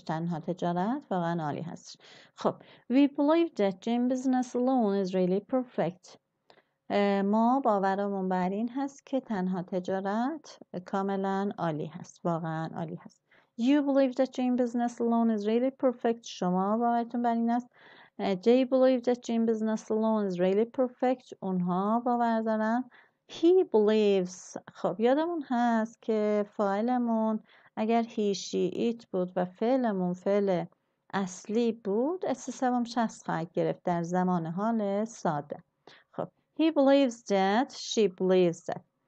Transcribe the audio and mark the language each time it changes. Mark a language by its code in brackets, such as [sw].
[fa] تنها تجارت واقعا عالی هستش. [en] خب We believe that doing business alone is really perfect. [fa] ما باورمون بر این هست که تنها تجارت کاملا عالی هست، واقعا عالی هست. [en] You believe that doing business alone is really perfect. [fa] شما باورتون بر این است. [en] They believe that doing business alone is really perfect. [fa] اونها باور دارن. [en] He believes. [fa] خب یادمون هست که فاعلمون اگر [en] he she it [fa] بود و فعلمون فعل اصلی بود، اس سوم شخص خواهد گرفت در زمان حال ساده. [en] He believes that, she believes that.